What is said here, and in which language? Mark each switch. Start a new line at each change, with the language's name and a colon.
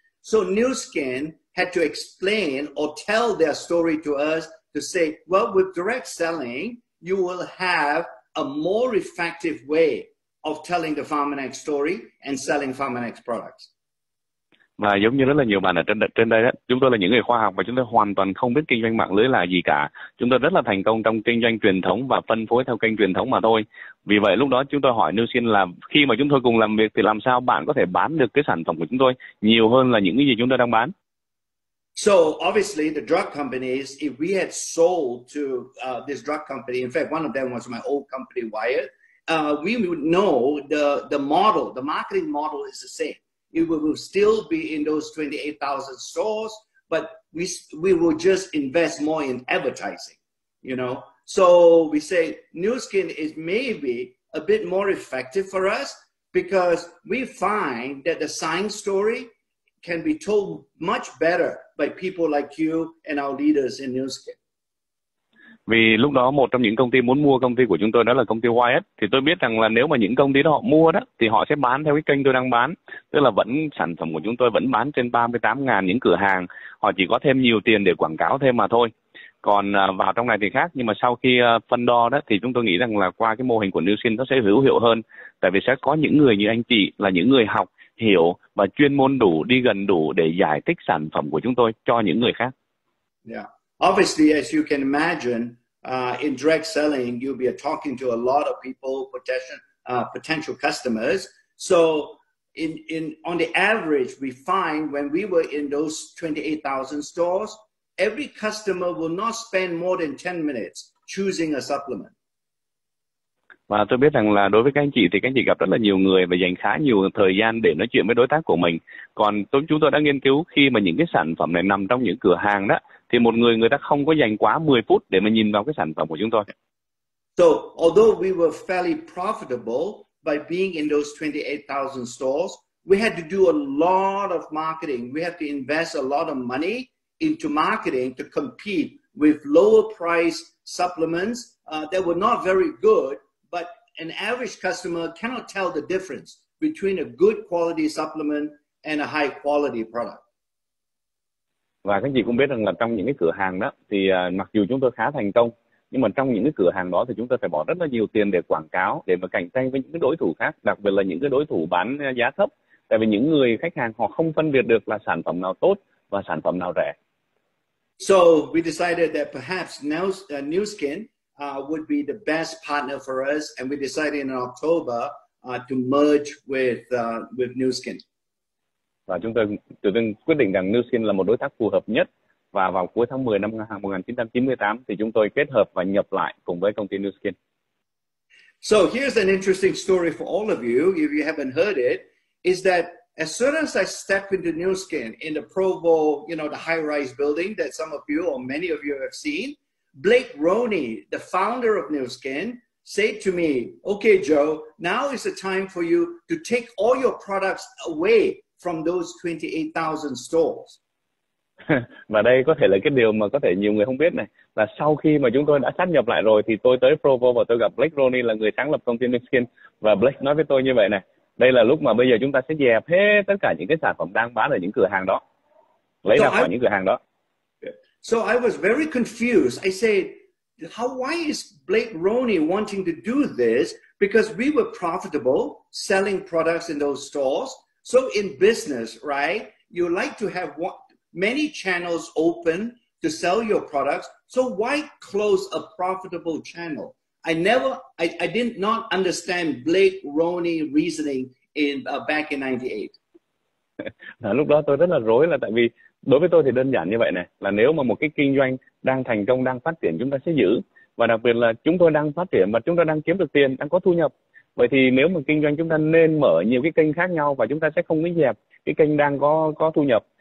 English: So Nu Skin had to explain or tell their story to us to say, well, with direct selling, you will have a more effective way of telling the Pharmanex story and selling Pharmanex products.
Vietnamese: Và giống như rất là nhiều bạn ở trên đây đó, chúng tôi là những người khoa học và chúng tôi hoàn toàn không biết kinh doanh mạng lưới là gì cả. Chúng tôi rất là thành công trong kinh doanh truyền thống và phân phối theo kênh truyền thống mà thôi. Vì vậy lúc đó chúng tôi hỏi Nu Skin là khi mà chúng tôi cùng làm việc thì làm sao bạn có thể bán được cái sản phẩm của chúng tôi nhiều hơn là những cái gì chúng tôi đang bán.
English: So obviously the drug companies, if we had sold to this drug company, in fact one of them was my old company Wired, we would know the model, the marketing model is the same. It will still be in those 28,000 stores, but we will just invest more in advertising, you know. So we say Nu Skin is maybe a bit more effective for us because we find that the science story can be told much better by people like you and our leaders in Nu Skin.
Vietnamese: Vì lúc đó một trong những công ty muốn mua công ty của chúng tôi đó là công ty Wyatt. Thì tôi biết rằng là nếu mà những công ty đó họ mua đó, thì họ sẽ bán theo cái kênh tôi đang bán. Tức là vẫn sản phẩm của chúng tôi vẫn bán trên 38.000 những cửa hàng. Họ chỉ có thêm nhiều tiền để quảng cáo thêm mà thôi. Còn vào trong này thì khác. Nhưng mà sau khi phân đo đó, thì chúng tôi nghĩ rằng là qua cái mô hình của Nu Skin nó sẽ hữu hiệu hơn. Tại vì sẽ có những người như anh chị là những người học, hiểu và chuyên môn đủ, đi gần đủ để giải thích sản phẩm của chúng tôi cho những người khác.
English: Yeah. Obviously, as you can imagine, in direct selling, you'll be talking to a lot of people, potential customers. So in on the average, we find when we were in those 28,000 stores, every customer will not spend more than 10 minutes choosing a supplement.
Vietnamese: Và tôi biết rằng là đối với các anh chị thì các anh chị gặp rất là nhiều người và dành khá nhiều thời gian để nói chuyện với đối tác của mình. Còn chúng tôi đã nghiên cứu khi mà những cái sản phẩm này nằm trong những cửa hàng đó, thì một người ta không có dành quá 10 phút để mà nhìn vào cái sản phẩm của chúng tôi.
English: So, although we were fairly profitable by being in those 28,000 stores, we had to do a lot of marketing. We had to invest a lot of money into marketing to compete with lower price supplements that were not very good. But an average customer cannot tell the difference between a good quality supplement and a high quality product.
Vietnamese: Và các chị cũng biết rằng là trong những cái cửa hàng đó thì mặc dù chúng tôi khá thành công, nhưng mà trong những cái cửa hàng đó thì chúng tôi phải bỏ rất là nhiều tiền để quảng cáo, để mà cạnh tranh với những cái đối thủ khác, đặc biệt là những cái đối thủ bán giá thấp. Tại vì những người khách hàng họ không phân biệt được là sản phẩm nào tốt và sản phẩm nào rẻ.
English: So we decided that perhaps New Skin would be the best partner for us, and we decided in October to merge with New Skin.
Vietnamese: Và chúng tôi tự nhiên quyết định rằng New Skin là một đối tác phù hợp nhất, và vào cuối tháng 10 năm 1998 thì chúng tôi kết hợp và nhập lại cùng với công ty New Skin.
English: So here's an interesting story for all of you, if you haven't heard it, is that as soon as I stepped into New Skin in the Provo, you know, the high-rise building that some of you or many of you have seen, Blake Roney, the founder of New Skin, said to me, okay, Joe, now is the time for you to take all your products away from those 28,000 stores.
Vietnamese: Và đây có thể là cái điều mà có thể nhiều người không biết này, là sau khi mà chúng tôi đã sáp nhập lại rồi thì tôi tới Provo và tôi gặp Blake Roney là người sáng lập công ty New Skin, và Blake nói với tôi như vậy này, đây là lúc mà bây giờ chúng ta sẽ dẹp hết tất cả những cái sản phẩm đang bán ở những cửa hàng đó, lấy ra khỏi những cửa hàng đó.
English: So I was very confused. I said, why is Blake Roney wanting to do this? Because we were profitable selling products in those stores. So in business, right, you like to have many channels open to sell your products. So why close a profitable channel? I did not understand Blake Roney reasoning back in 98.
Vietnamese: Lúc đó tôi rất là rối, là tại vì đối với tôi thì đơn giản như vậy này, là nếu mà một cái kinh doanh đang thành công, đang phát triển, chúng ta sẽ giữ. Và đặc biệt là chúng tôi đang phát triển và chúng ta đang kiếm được tiền, đang có thu nhập. Vậy thì nếu mà kinh doanh, chúng ta nên mở nhiều cái kênh khác nhau và chúng ta sẽ không có dẹp cái kênh đang có thu nhập.